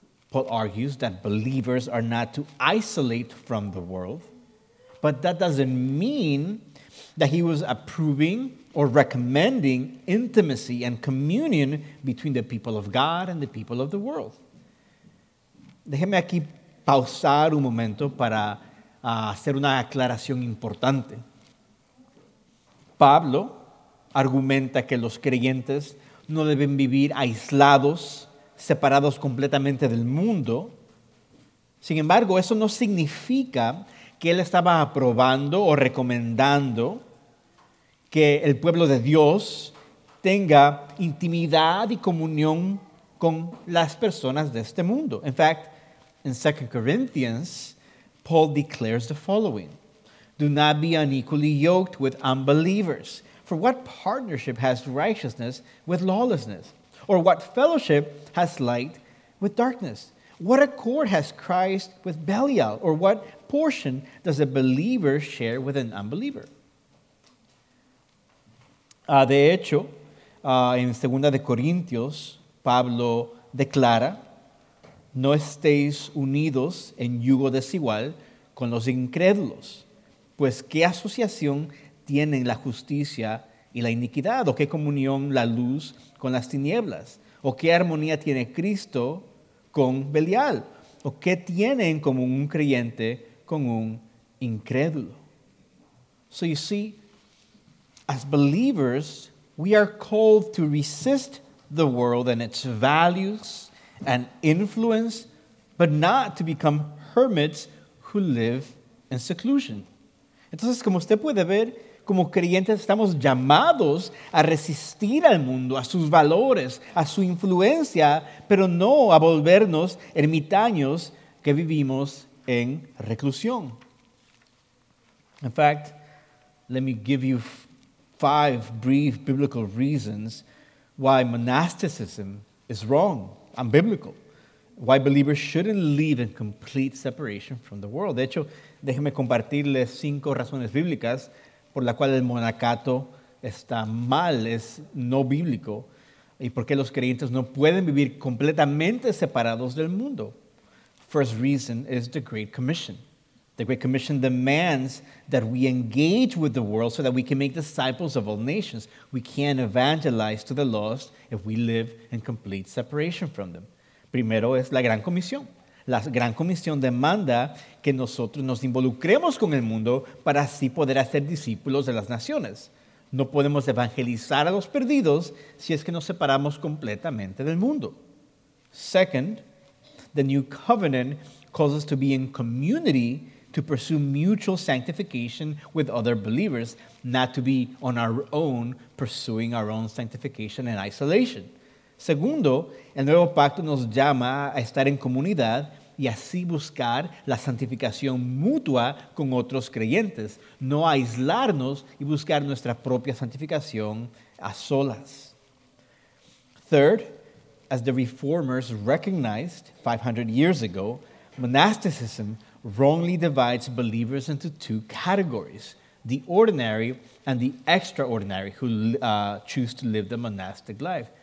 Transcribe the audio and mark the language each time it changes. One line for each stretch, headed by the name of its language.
English: Paul argues that believers are not to isolate from the world, but that doesn't mean that he was approving or recommending intimacy and communion between the people of God and the people of the world.
Spanish: Déjeme aquí pausar un momento para hacer una aclaración importante. Pablo argumenta que los creyentes no deben vivir aislados, separados completamente del mundo. Sin embargo, eso no significa que él estaba aprobando o recomendando que el pueblo de Dios tenga intimidad y comunión con las personas de este mundo.
English: In fact, in 2 Corinthians, Paul declares the following: "Do not be unequally yoked with unbelievers. For what partnership has righteousness with lawlessness? Or what fellowship has light with darkness? What accord has Christ with Belial? Or what portion does a believer share with an unbeliever?"
Spanish: De hecho, en 2 Corintios, Pablo declara: "No estéis unidos en yugo desigual con los incrédulos, pues qué asociación tienen la justicia y la iniquidad, o qué comunión la luz con las tinieblas, o qué armonía tiene Cristo con Belial, o qué tiene en común un creyente con un incrédulo."
English: So you see, as believers, we are called to resist the world and its values and influence, but not to become hermits who live in seclusion.
Spanish: Entonces, como usted puede ver, como creyentes estamos llamados a resistir al mundo, a sus valores, a su influencia, pero no a volvernos ermitaños que vivimos en reclusión.
English: In fact, let me give you five brief biblical reasons why monasticism is wrong, unbiblical, why believers shouldn't live in complete separation from the world.
Spanish: De hecho, déjeme compartirles cinco razones bíblicas por la cual el monacato está mal, es no bíblico, y por qué los creyentes no pueden vivir completamente separados del mundo.
English: First reason is the Great Commission. The Great Commission demands that we engage with the world so that we can make disciples of all nations. We can't evangelize to the lost if we live in complete separation from them.
Spanish: Primero es la Gran Comisión. La Gran Comisión demanda que nosotros nos involucremos con el mundo para así poder hacer discípulos de las naciones. No podemos evangelizar a los perdidos si es que nos separamos completamente del mundo.
English: Second, the New Covenant calls us to be in community to pursue mutual sanctification with other believers, not to be on our own pursuing our own sanctification in isolation.
Spanish: Segundo, el nuevo pacto nos llama a estar en comunidad y así buscar la santificación mutua con otros creyentes, no aislarnos y buscar nuestra propia santificación a solas.
English: Third, as the reformers recognized 500 years ago, monasticism wrongly divides believers into two categories, the ordinary and the extraordinary who choose to live the monastic life.